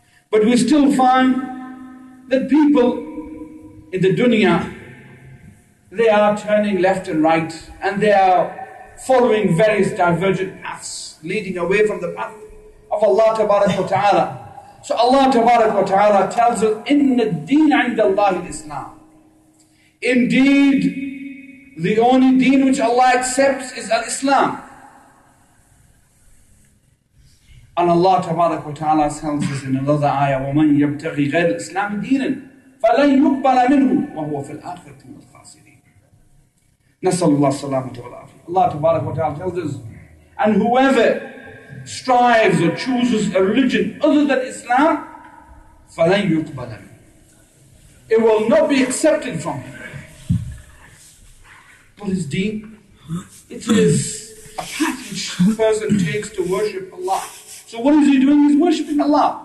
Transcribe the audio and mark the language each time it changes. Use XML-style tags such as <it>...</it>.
<en>But we still find that people in the dunya, they are turning left and right and they are following various divergent paths, leading away from the path of Allah tabarak wa ta'ala. So Allah tabarak wa ta'ala tells us,</en> <ar>إِنَّ الدِّينَ عِنْدَ اللَّهِ الْإِسْلَامِ.</ar> <en>Indeed, the only deen which Allah accepts is al-Islam. And Allah tabarak wa ta'ala tells us in another ayah,</en> <ar>وَمَنْ يَبْتَغِي غَيْرِ الْإِسْلَامِ دِينًا فَلَنْ يُقْبَلَ مِنْهُ وَهُوَ فِي الْآخِرَةِ مِنَ الْخَاسِرِينَ. نَسَلُ اللَّهِ السَّلَامَةِ وَالْعَافِيَةِ.</ar> <en>Allah tabarak wa ta'ala tells us, and whoever strives or chooses a religion other than Islam,</en> <ar>فَلَنْ يُقْبَلَ مِنْهُ.</ar> <en>It will not be accepted from him. What is deen? It is a path which a person takes to worship Allah So what is he doing? He's worshipping Allah.</en>